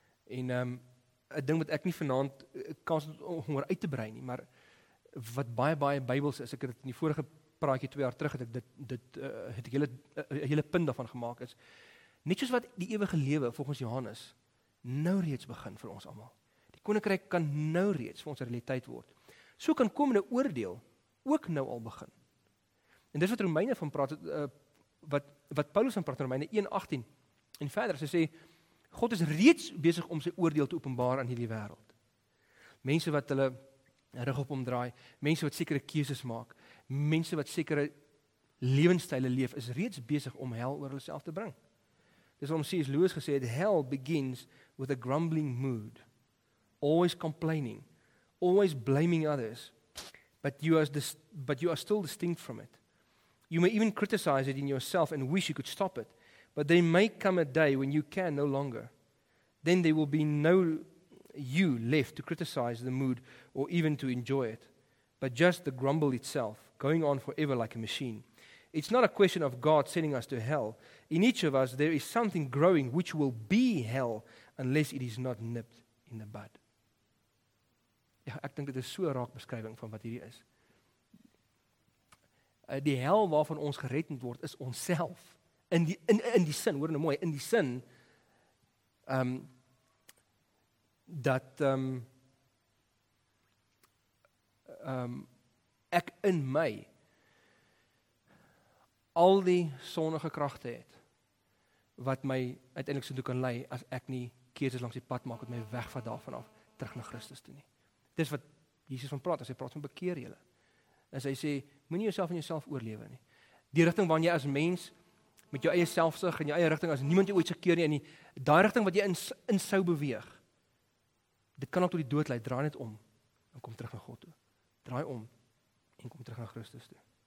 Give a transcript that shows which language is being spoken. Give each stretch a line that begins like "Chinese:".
Afrikaans: En 'n ding wat ek nie vanaand kans om oor uit te brei nie, maar wat baie baie Bybels is, ek het in die vorige praatjie 2 jaar terug het ek hele punt daarvan gemaak is, net soos wat die ewige lewe volgens Johannes nou reeds begin vir ons almal. Koninkryk kan nou reeds vir ons realiteit word. So kan komende oordeel ook nou al begin. En dis wat Romeine van praat, wat Paulus van praat in Romeine 1:18, en verder, sy sê, God is reeds besig om sy oordeel te openbaar aan hierdie wêreld. Mense wat hulle rug op omdraai, mense wat sekere keuses maak, mense wat sekere lewenstyle leef, is reeds besig om hel oor hulle self te bring. Dis waarom C.S. Lewis gesê het,
English: hell begins with a grumbling mood. Always complaining, always blaming others, but you are still distinct from it. You may even criticize it in yourself and wish you could stop it, but there may come a day when you can no longer. Then there will be no you left to criticize the mood or even to enjoy it, but just the grumble itself, going on forever like a machine. It's not a question of God sending us to hell. In each of us, there is something growing which will be hell unless it is not nipped in the bud.
Afrikaans: Ja, ek dink dit is so 'n raak beskrywing van wat hierdie is. Die hel waarvan ons gered word, is onsself. In die sin, hoor nou mooi, in die sin, ek in my al die sonnige kragte het, wat my uiteindelik so toe kan lei, as ek nie keuses langs die pad maak, wat my weg van daarvan af, terug na Christus toe nie. Dit is wat Jesus van praat, as hy praat van bekeer julle. As hy sê, moenie jouself in jouself oorlewe nie. Die rigting waarin jy as mens, met jou eie selfsug en jou eie rigting, as niemand jou ooit gekeer nie, en die daai rigting wat jy in sou beweeg, dit kan al tot die dood lei, draai net om, en kom terug na God toe. Draai om, en kom terug na Christus toe.